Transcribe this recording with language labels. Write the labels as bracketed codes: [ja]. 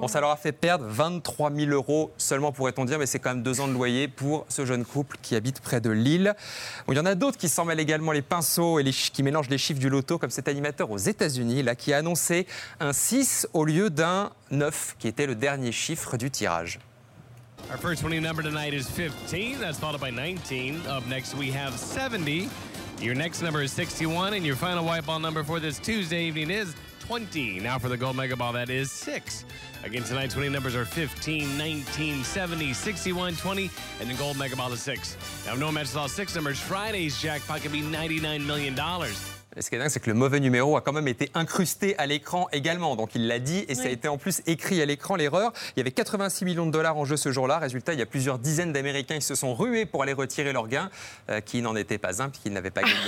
[fr] Bon, ça leur a fait perdre 23 000 euros seulement, pourrait-on dire, mais c'est quand même 2 ans de loyer pour ce jeune couple qui habite près de Lille. Bon, il y en a d'autres qui s'en mêlent également les pinceaux et qui mélangent les chiffres du loto, comme cet animateur aux États-Unis, là, qui a annoncé un 6 au lieu d'un 9, qui était le dernier chiffre du tirage. [en] Our first winning number tonight is 15, that's followed by 19. Up next we have 70. Your next number is 61, and your final white ball number for this Tuesday evening is 20. Now for the gold mega ball, that is 6. Again, tonight's winning numbers are 15, 19, 70, 61, 20, and the gold mega ball is 6. Now, if no one matches all 6 numbers, Friday's jackpot could be $99 million. [fr] Ce qui est dingue, c'est que le mauvais numéro a quand même été incrusté à l'écran également. Donc il l'a dit et oui. Ça a été en plus écrit à l'écran, l'erreur. Il y avait 86 millions de dollars en jeu ce jour-là. Résultat, il y a plusieurs dizaines d'Américains qui se sont rués pour aller retirer leurs gains, qui n'en étaient pas un, puis qu'ils n'avaient pas gagné.